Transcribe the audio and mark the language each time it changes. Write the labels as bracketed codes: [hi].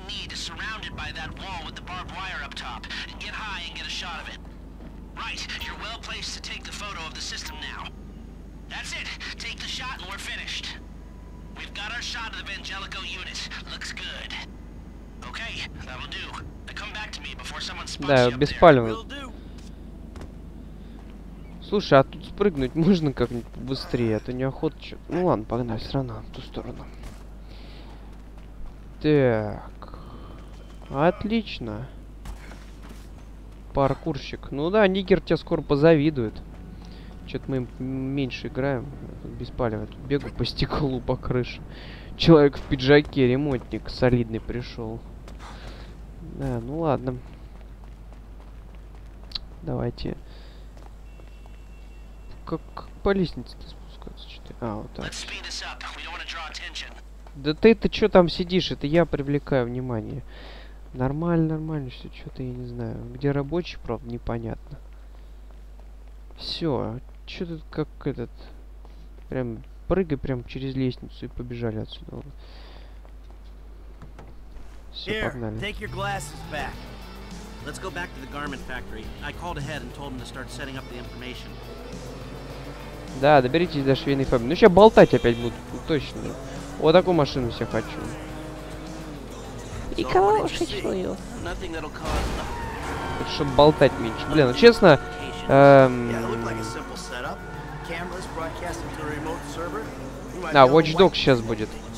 [en] Surrounded by that wall with the barbed wire up top. Get high and get a shot of it. Right. You're well placed to take the photo of the system now. That's it. Take the shot and we're finished. We've got our shot of the Vangelico unit. Looks good. Okay, that'll do. Now come back to me before someone spots you. [ru] Да, беспалево. Слушай, а тут спрыгнуть можно как-нибудь быстрее? Это неохота чё. Ну ладно, погнали, все равно, в ту сторону. Так. Отлично. Паркурщик. Ну да, нигер тебя скоро позавидует. Чё-то мы меньше играем. Беспалево. Тут бегаю по стеклу, по крыше. Человек в пиджаке, ремонтник солидный пришел. Да, ну ладно. Давайте... Как по лестнице-то спускаться? А, вот так. Да ты-то чё там сидишь? Это я привлекаю внимание. Нормально, нормально всё, чё-то я не знаю. Где рабочий, правда, непонятно. Всё, чё тут как этот... Прям прыгай прям через лестницу и побежали отсюда. Всё, погнали. [en] Take your glasses back. Let's go back to the garment factory. I called ahead and told him to start setting up the information. [ru] Да, доберитесь до швейной фабрики. Ну, сейчас болтать опять будут, ну, точно. Вот такую машину себе хочу. И калашечную. Это чтобы болтать меньше. Блин, ну, честно... А, Watch Dogs сейчас будет.